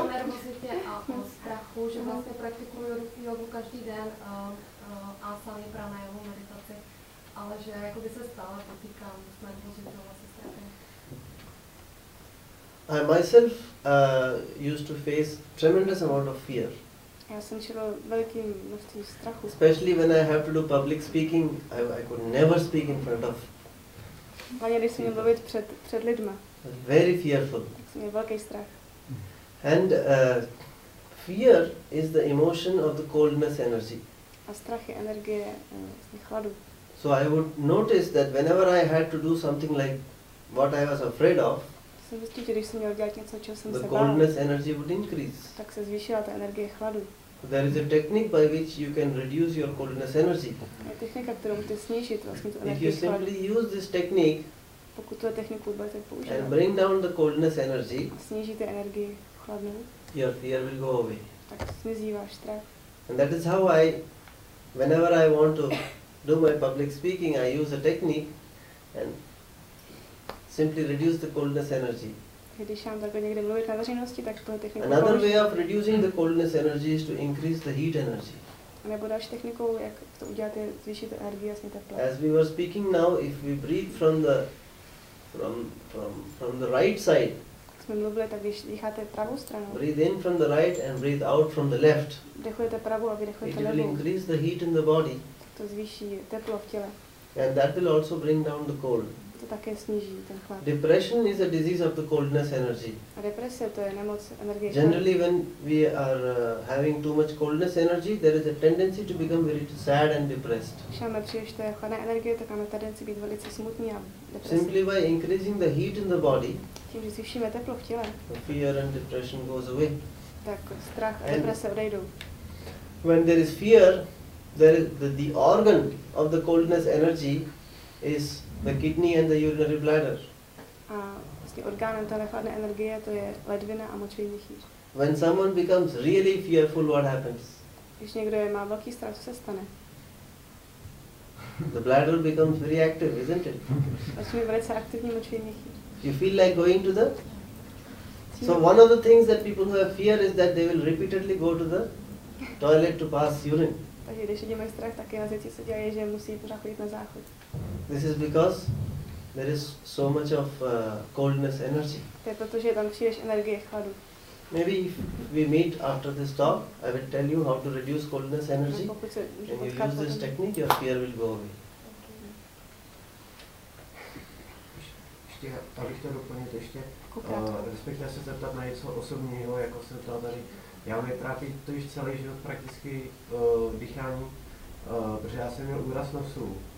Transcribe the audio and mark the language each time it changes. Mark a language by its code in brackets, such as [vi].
[cs] O nervozitě a o strachu, že vlastně praktikuju jogu každý den a sám je právě na jeho meditaci, ale že jakoby se stále potýkám s nervozitou a se strachem. [en] I myself used to face tremendous amount of fear. [cs] Já jsem čelil velkým množstvím strachu. [en] Especially when I have to do public speaking, I could never speak in front of. [cs] Hlavně když jsem měl mluvit před lidma. [en] Very fearful. [cs] Tak jsem měl velký strach. [en] And fear is the emotion of the coldness energy. [cs] A strach je energie chladu. [en] So I would notice that whenever I had to do something like what I was afraid of, [cs] když jsem měl dělat něco, čeho jsem [en] the [cs] se [en] coldness [cs] bál, [en] energy would increase. [cs] Tak se zvýšila ta energie chladu. [en] There is a technique by which you can reduce your coldness energy. [cs] Je technika, kterou můžete snížit vlastně tu energii chladu. [en] If you simply use this technique, [cs] pokud tu techniku budete používat, [en] and bring down the coldness energy, [cs] snížíte energii chladu, [en] your fear will go away. [cs] Tak zmizí váš strach. [en] And that is how I, whenever I want to do my public speaking, I use a technique and simply reduce the coldness energy. [cs] Když mám takhle někde mluvit na veřejnosti, tak tohle techniku použiju. [en] Another way of reducing the coldness energy is to increase the heat energy. [cs] A nebo další technikou, jak to udělat, je zvýšit energii, jasně teplo. [en] As we were speaking now, if we breathe from the right side. [cs] Jak jsme mluvili, tak když dýcháte pravou stranu. [en] Breathe in from the right and breathe out from the left. [cs] Dechujete pravou a vydechujete levou. [en] It will increase the heat in the body. [cs] To zvýší teplo v těle. [en] And that will also bring down the cold. [cs] Také sníží ten chlad. [en] Depression is a disease of the coldness energy. [cs] A deprese, to je nemoc energie. [en] Generally when we are having too much coldness energy, there is a tendency to become very sad and depressed. [cs] Když máme příliš té chladné energie, tak máme tendenci být velice smutný a depresivní. [en] Simply by increasing the heat in the body. [cs] Tím, že zvýšíme teplo v těle. [en] The fear and depression goes away. [cs] Tak strach a deprese odejdou. [en] When there is fear, there is the organ of the coldness energy is the kidney and the urinary bladder. [cs] A vlastně orgánem té chladné energie to je ledvina a močový chýř. [en] When someone becomes really fearful, what happens? [cs] Když někdo má velký strach, co se stane? [en] The bladder becomes very active, isn't it? [cs] Vlastně je velice aktivní močový chýř. [en] You feel like going to the? So one of the things that people who have fear is that they will repeatedly go to the toilet to pass urine. [cs] Takže když lidi mají strach, tak jedna z věcí, co dělají, že musí pořád chodit na záchod. [en] This is because there is so much of coldness energy. [cs] To je proto, že je tam příliš energie chladu. [en] Maybe if we meet after this talk, I will tell you how to reduce coldness energy. When you use this technique, your fear will go away. [cs] Ještě, abych to doplnil ještě, respektive se zeptat na něco osobního, jako se ptal tady. Já mě trápí to již celý život prakticky dýchání, protože já jsem měl úraz nosu.